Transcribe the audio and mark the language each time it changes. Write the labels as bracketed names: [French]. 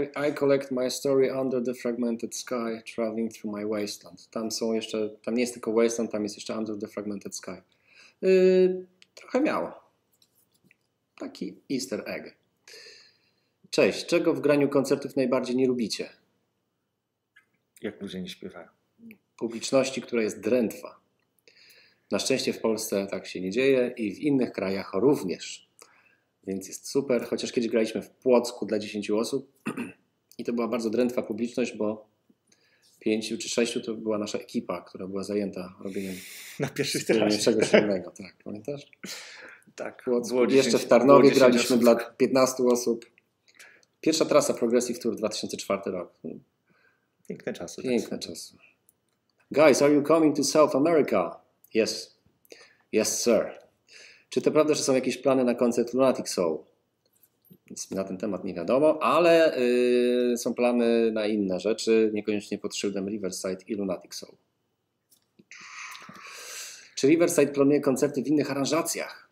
[English] I collect my story under the fragmented sky, traveling through my wasteland. [Polish] Tam są jeszcze, tam nie jest tylko wasteland, tam jest jeszcze [English] under the fragmented sky. [Polish] Trochę miało. Taki easter egg. Cześć, czego w graniu koncertów najbardziej nie lubicie? Jak ludzie nie śpiewają. Publiczności, która jest drętwa. Na szczęście w Polsce tak się nie dzieje i w innych krajach również. Więc jest super, chociaż kiedyś graliśmy w Płocku dla 10 osób i to była bardzo drętwa publiczność, bo 5 czy 6 to była nasza ekipa, która była zajęta robieniem na pierwszej trasie, czegoś innego, tak, pamiętasz? Tak. Jeszcze w Tarnowie graliśmy dla 15 osób. Pierwsza trasa Progressive Tour 2004 rok. Piękne czasy. Piękne czasy. [English] Guys, are you coming to South America? Yes. Yes, sir. [Polish] Czy to prawda, że są jakieś plany na koncert Lunatic Soul? Nic mi na ten temat nie wiadomo, ale są plany na inne rzeczy, niekoniecznie pod szyldem Riverside i Lunatic Soul. Czy Riverside planuje koncerty w innych aranżacjach?